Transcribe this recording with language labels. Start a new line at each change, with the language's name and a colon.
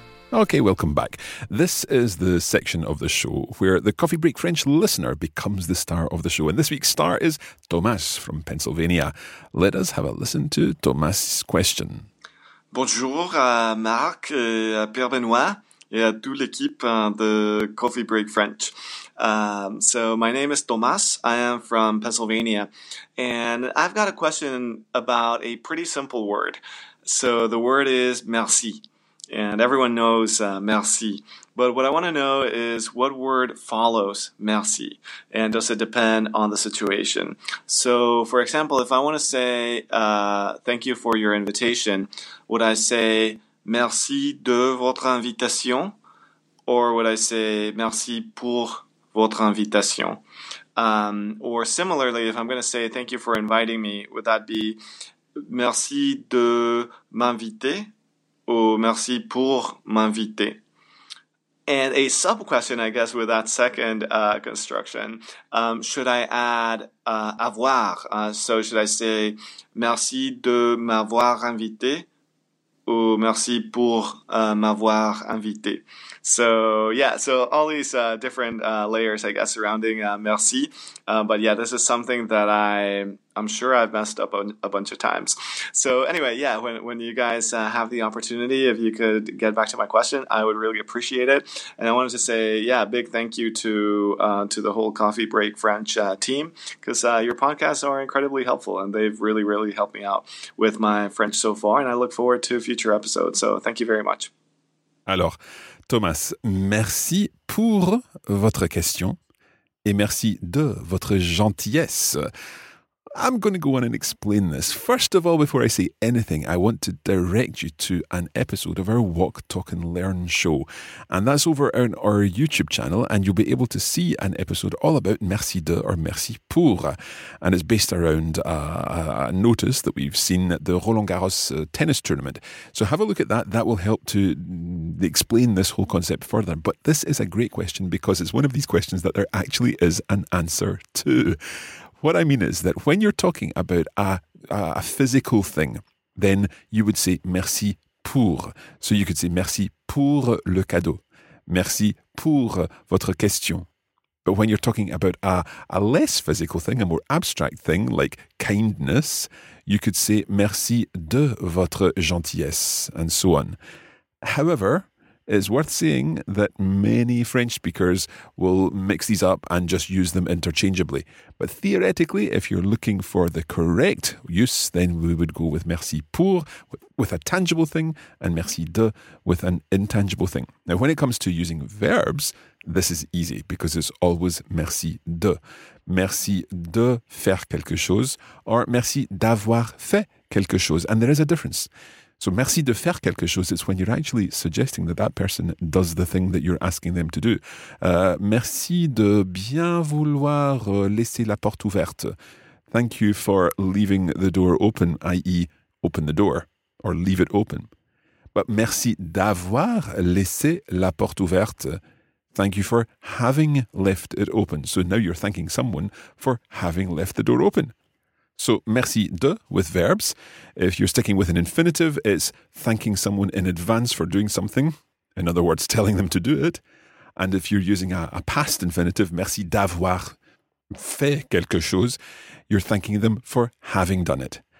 English: Okay, welcome back. This is the section of the show where the Coffee Break French listener becomes the star of the show. And this week's star is Thomas from Pennsylvania. Let us have a listen to Thomas' question.
French: Bonjour à Marc, à Pierre Benoît et à toute l'équipe de Coffee Break French.
English: So my name is Thomas. I am from Pennsylvania. And I've got a question about a pretty simple word. So the word is merci. And everyone knows merci. But what I want to know is what word follows merci? And does it depend on the situation? So, for example, if I want to say thank you for your invitation, would I say
French: merci de votre invitation?
English: Or would I say
French: merci pour votre invitation?
English: Or similarly, if I'm going to say thank you for inviting me, would that be
French: merci de m'inviter? Ou merci pour m'inviter.
English: And a sub question, I guess, with that second construction, should I add avoir? So should I say
French: merci de m'avoir invité ou merci pour m'avoir invité?
English: So yeah, so all these different layers, I guess, surrounding merci. But yeah, this is something that I'm sure I've messed up a bunch of times. So anyway, yeah, when you guys have the opportunity, if you could get back to my question, I would really appreciate it. And I wanted to say, yeah, big thank you to the whole Coffee Break French team, because your podcasts are incredibly helpful and they've really, really helped me out with my French so far. And I look forward to future episodes. So thank you very much.
French: Alors, Thomas, merci pour votre question et merci de votre gentillesse.
English: I'm going to go on and explain this. First of all, before I say anything, I want to direct you to an episode of our Walk, Talk and Learn show. And that's over on our YouTube channel, and you'll be able to see an episode all about merci de or merci pour. And it's based around a notice that we've seen at the Roland-Garros tennis tournament. So have a look at that. That will help to explain this whole concept further. But this is a great question because it's one of these questions that there actually is an answer to. What I mean is that when you're talking about a physical thing, then you would say merci pour. So you could say
French: merci pour le cadeau. Merci pour votre question.
English: But when you're talking about a less physical thing, a more abstract thing like kindness, you could say
French: merci de votre gentillesse
English: and so on. However, it's worth saying that many French speakers will mix these up and just use them interchangeably. But theoretically, if you're looking for the correct use, then we would go with merci pour with a tangible thing and merci de with an intangible thing. Now, when it comes to using verbs, this is easy because it's always merci de.
French: Merci de faire quelque chose or merci d'avoir fait quelque chose.
English: And there is a difference. So
French: merci de faire quelque chose
English: is when you're actually suggesting that that person does the thing that you're asking them to do.
French: Merci de bien vouloir laisser la porte ouverte.
English: Thank you for leaving the door open, i.e. open the door or leave it open.
French: But merci d'avoir laissé la porte ouverte.
English: Thank you for having left it open. So now you're thanking someone for having left the door open. So, merci de with verbs. If you're sticking with an infinitive, it's thanking someone in advance for doing something. In other words, telling them to do it. And if you're using a past infinitive,
French: merci d'avoir fait quelque chose,
English: you're thanking them for having done it.